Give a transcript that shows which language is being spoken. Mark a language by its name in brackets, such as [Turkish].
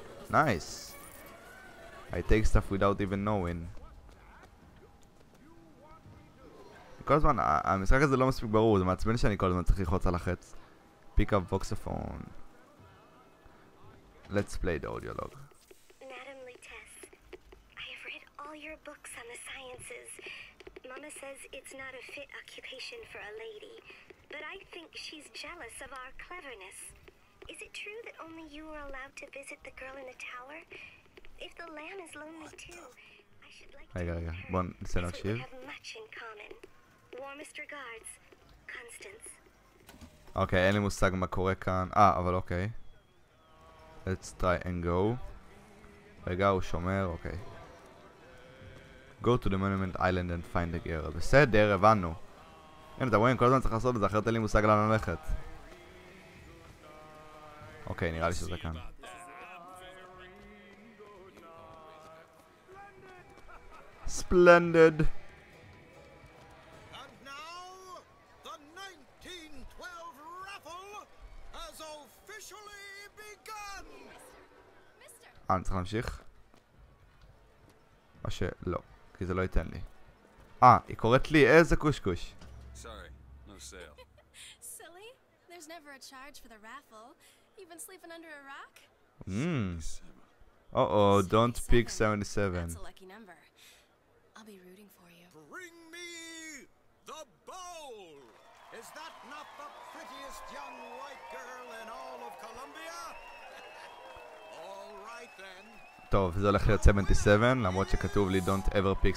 [English] Nice. I take stuff without even knowing. [Hebrew] כל הזמן, המשחק הזה לא מספיק ברור, זה מעצבן שאני כל הזמן צריך לחוץ על החץ. [English] Pick up voxophone. Let's play the audio log. Madam Lutess, I have read all your books on the sciences. Mama says it's not a fit occupation for a lady. But I think she's jealous of our cleverness. Is it true that only you are allowed to visit the girl in the tower? If the lamb is lonely too, I should like to... [Hebrew] רגע, בוא נעשה להקשיב. [English] We have much in common. Warmest regards, Constance. [Hebrew] אוקיי, אין לי מושג מה קורה כאן. אבל אוקיי. [English] Let's try and go. [Hebrew] רגע, הוא שומר, אוקיי. [English] Go to the Monument Island and find the girl. [Hebrew] בסדר, הבנו. הנה, אתה רואה, כל הזמן צריך לעשות את זה, אחרת אין לי מושג לאן ללכת. אוקיי, נראה לי שזה כאן. [English] Splendid. And now, the 1912 raffle has officially begun. [Hebrew] אני צריך להמשיך? או שלא, כי זה לא ייתן לי. היא קוראת לי, איזה קושקוש. [English] Sorry, no sale. Silly, there's never a charge for the raffle. You've been sleeping under a rock? Don't pick 77. That's a lucky number. I'll be rooting for you. Bring me the bowl! Is that not the prettiest young white girl in all of Colombia? Alright then. [Hebrew] טוב, זה הולך להיות 77, למרות שכתוב לי [English] don't ever pick